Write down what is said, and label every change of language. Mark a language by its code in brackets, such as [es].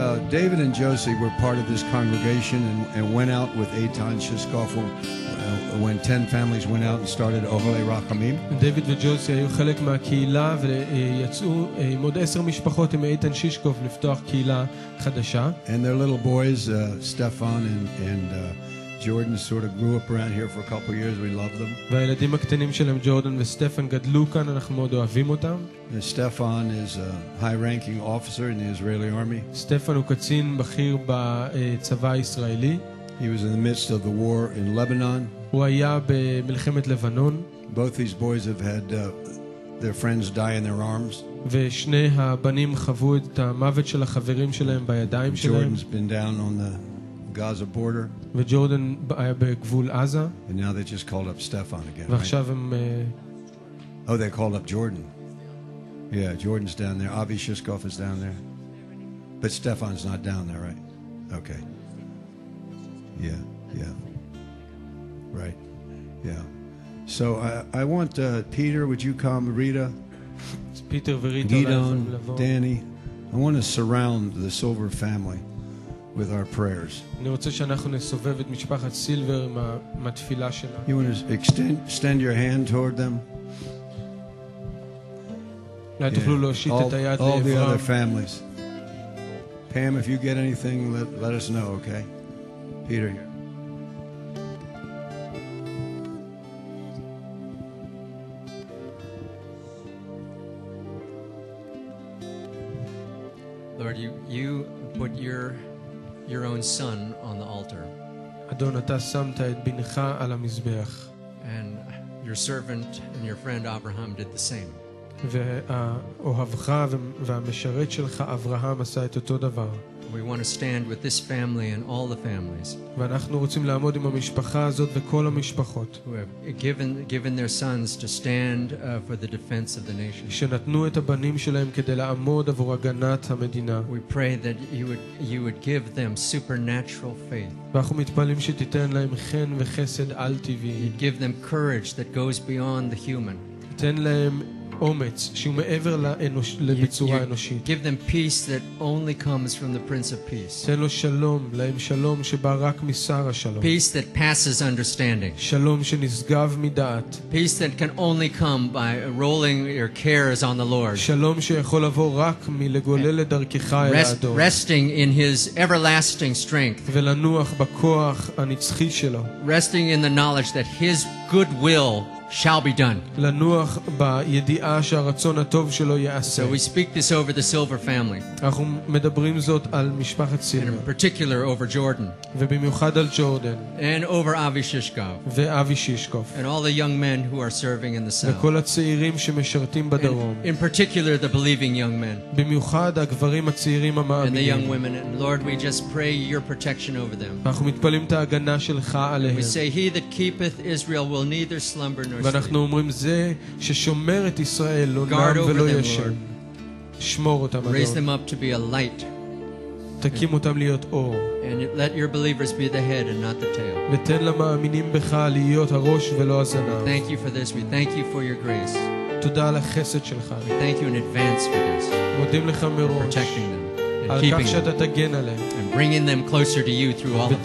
[en] David and Josie were part of this congregation and went out with Eitan Shiskoff when 10 families went out and started Ohele Rachamim. [he] David and Josie היו חלק מהקהילה ויצאו עם עוד 10 משפחות עם Eitan Shiskoff לפתוח קהילה חדשה. [en] And their little boys, Stefan and Jordan sort of grew up around here for a couple of years. We love them. [he] והילדים הקטנים שלהם, ג'ורדן וסטפן, גדלו כאן. אנחנו מאוד אוהבים אותם. [en] Stefan is a high-ranking officer in the Israeli army. [he] סטפן הוא קצין בכיר בצבא הישראלי. [en] He was in the midst of the war in Lebanon. [he] הוא היה במלחמת לבנון. [en] Both these boys have had their friends die in their arms. [he] ושני הבנים חוו את המוות של החברים שלהם בידיים שלהם. [en] Jordan's been down on the Gaza border. [he] וג'ורדן היה בגבול עזה. [en] And now they just called up Stefan again. [he] ועכשיו [en] right? Oh, they called up Jordan. Yeah, Jordan's down there. Avi Shishkov is down there. But Stefan's not down there, right? Okay. Yeah. Right. Yeah. So I want Peter, would you come, Rita? Peter and Rita. Gidon, Danny. I want to surround the Silver family with our prayers. [he] אנחנו רוצים שאנחנו נסובב את משפחת סילבר מהתפילה שלנו. [en] You want to extend your hand toward them. [he] לא תוכלו להושיט את היד לעברם. [en] All the other families. Pam, if you get anything, let us know, okay? Peter. Lord, you put your own son on the altar. [he] אדון, אתה שמת את בנך על המזבח. [en] And your servant and your friend Abraham did the same. [he] ואוהבך והמשרת שלך אברהם עשה את אותו דבר. [en] We want to stand with this family and all the families. [he] ואנחנו רוצים לעמוד עם המשפחה הזאת וכל המשפחות. [en] Who have given their sons to stand for the defense of the nation. [he] שנתנו את הבנים שלהם כדי לעמוד עבור הגנת המדינה. [en] We pray that you would give them supernatural faith. [he] ואנחנו מתפללים שתיתן להם חן וחסד על טבעי. [en] You'd give them courage that goes beyond the human. [he] תן להם אומץ שהוא מעבר לבצורה האנושית. [en] Give them peace that only comes from the Prince of Peace. [he] תן לו שלום, להם שלום שבא רק משר השלום. [en] Peace that passes understanding. [he] שלום שנשגב מדעת. [en] Peace that can only come by rolling your cares on the Lord. [he] שלום שיכול לבוא רק מלגולל את דרכך אל האדון. [en] Resting in his everlasting strength. [he] ולנוח בכוח הנצחי שלו. [en] Resting in the knowledge that his good will shall be done. [he] לנוח בידיעה שהרצון הטוב שלו יעשה. [en] So we speak this over the Silver family. [he] אנחנו מדברים זאת על משפחת סילבר. [en] And in particular over Jordan. [he] ובמיוחד על ג'ורדן. [en] And over Avi Shishkov. [he] ואבי שישקוף. [en] And all the young men who are serving in the south. [he] וכל הצעירים שמשרתים בדרום. [en] In particular the believing young men. [he] במיוחד הגברים הצעירים המאמינים. [en] And the young women. And Lord, we just pray your protection over them. [he] אנחנו מתפללים את ההגנה שלך עליהם. [en] We say he that keepeth Israel will neither slumber nor sleep. [he] ואנחנו אומרים זה ששומר את ישראל לא נם ולא ישן. שמור אותם אדון. [en] Raise them up to be a light. [he] תקים אותם להיות אור. [en] And let your believers be the head and not the tail. [he] ותן למאמינים בך להיות הראש ולא הזנב. [en] Thank you for this. We thank you for your grace. [he] תודה על החסד שלך. [en] We thank you in advance for this. [he] מודים לך מראש. [en] Protecting them. And keeping them. And bringing them closer to you through all of